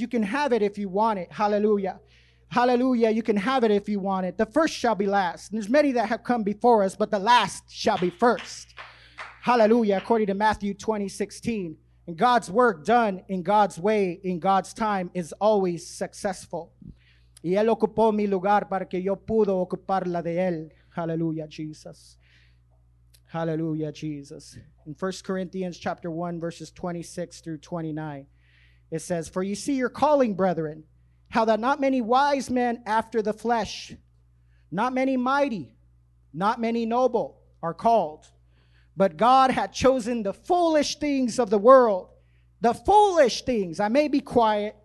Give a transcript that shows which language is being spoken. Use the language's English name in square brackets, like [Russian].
[English] You can have it if you want it. Hallelujah. Hallelujah. You can have it if you want it. The first shall be last. And there's many that have come before us, but the last shall be first. Hallelujah. According to Matthew 20:16. And God's work done in God's way, in God's time, is always successful. [Spanish] Y él ocupó mi lugar para que yo pudo ocupar la de él. [English] Hallelujah, Jesus. Hallelujah, Jesus. In 1 Corinthians chapter 1, verses 26 through 29, it says, for you see your calling, brethren, how that not many wise men after the flesh, not many mighty, not many noble are called, but God had chosen the foolish things of the world, the foolish things. I may be quiet.